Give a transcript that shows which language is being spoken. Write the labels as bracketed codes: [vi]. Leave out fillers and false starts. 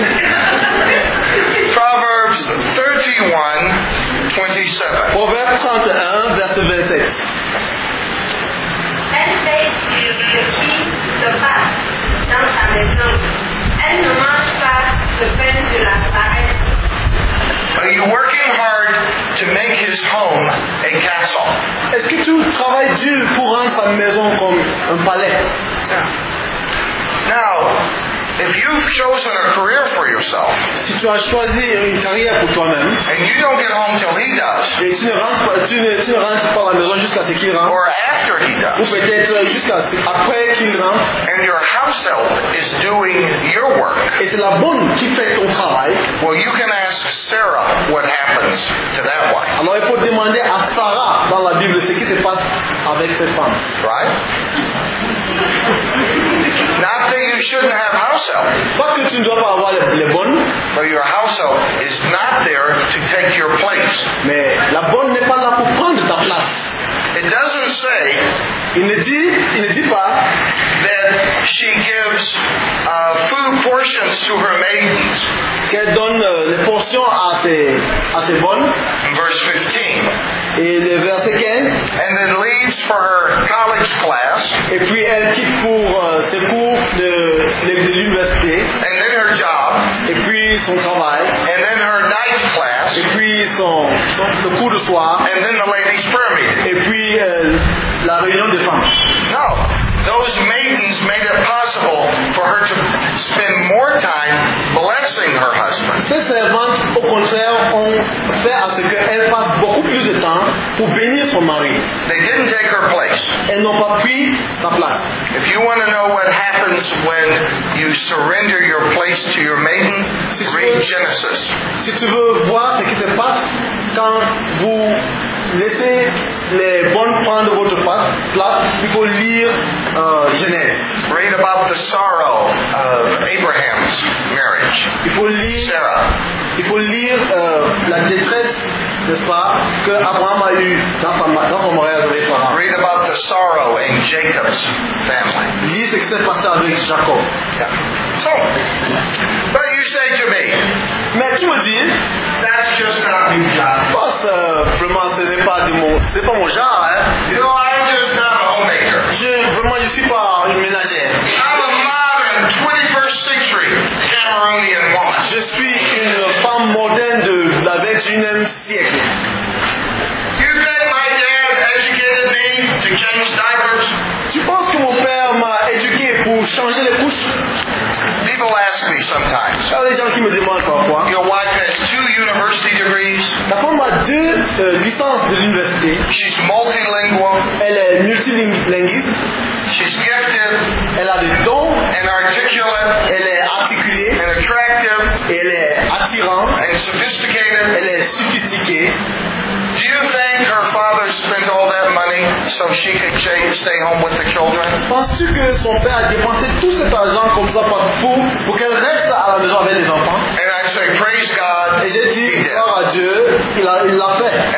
[fr] Elle fait du bruit de pas dans sa maison. Elle ne mange pas le pain de la farine. [en] Are you working hard to make his home a castle? [fr] Est-ce que tu travailles dur pour rendre sa maison comme un palais? [en] Now, if you've chosen a career for yourself, [fr] si tu as choisi une carrière pour toi-même, [en] and you don't get home till he does, [fr] et tu ne rentres pas à la maison jusqu'à ce qu'il rentre, [en] or after he does, [fr] ou peut-être jusqu'à après qu'il rentre, [en] and your household is doing your work, [fr] et c'est la bonne qui fait ton travail, [en] well, you can ask Sarah what happens to that wife. [fr] Alors il faut demander à Sarah dans la Bible ce qui se passe avec cette femme. [en] Right? Not that you shouldn't have household. [fr] Pas que tu ne dois pas avoir les bonnes. [en] But your household is not there to take your place. [fr] Mais la bonne n'est pas là pour prendre ta place. [en] It doesn't say. [fr] Il ne dit pas [en] that she gives food portions to her maidens. [fr] Qu'elle donne les portions à ses bonnes. [en] Verse 15. [fr] Et le verset 15. [en] And then leaves for her college class. [fr] Et puis elle quitte pour ses cours de l'université. [en] And then her job. [fr] Et puis son travail. [en] And then her night class. [fr] Et puis son cours de soir. [en] And then the ladies' prayer meeting. [fr] Et puis la réunion des femmes. [en] No. Those maidens made it possible for her to spend more time blessing her husband. [fr] Ces servantes, au contraire, ont fait à ce qu'elle passe beaucoup plus de temps pour bénir son mari. [en] They didn't take her place. [fr] Elles n'ont pas pris sa place. [en] If you want to know what happens when you surrender your place to your maiden, read Genesis. [fr] Si tu veux voir ce qui se passe quand vous laissez les bonnes prendre de votre place, il faut lire Genèse. [en] Read about the sorrow of Abraham's marriage. [fr] Il faut lire [en] Sarah. [fr] Il faut lire la détresse, n'est-ce pas, que Abraham a eu dans son mariage avec Sarah. [en] Read about the sorrow in Jacob's family. [fr] Lis ce qui s'est passé avec Jacob. [en] Yeah. So, but you say to me, [fr] mais tu me dis, [en] that's just not my job. [fr] Vraiment, ce n'est pas mon genre. Hein? [en] You know, I'm just not a homemaker. [fr] Vraiment, je suis pas une ménagère. [en] I'm a modern 21st century Cameroonian woman. [fr] Je suis une femme moderne de la 21e siècle. [en] You think my dad educated me to change diapers? [fr] Tu penses que mon père m'a éduqué pour changer les couches? [en] People ask me sometimes. [fr] Les gens qui me demandent parfois. [en] Your wife has two university degrees. [fr] Ta femme a deux licences de l'université. [en] She's multilingual. [fr] Elle est multilinguiste. [en] She's gifted. [fr] Elle a des dons. [en] And articulate. [fr] Elle est articulée. [en] And attractive. [fr] Elle est attirante. [en] And sophisticated. [fr] Elle est sophistiquée. [en] Do you think her father spent all that money so she could stay home with the children? [fr] Penses-tu que son père a dépensé tout cet argent comme ça pour qu'elle reste à la maison avec les enfants? [en] And I say, praise God. [fr] Et j'ai dit, gloire à Dieu, il l'a fait.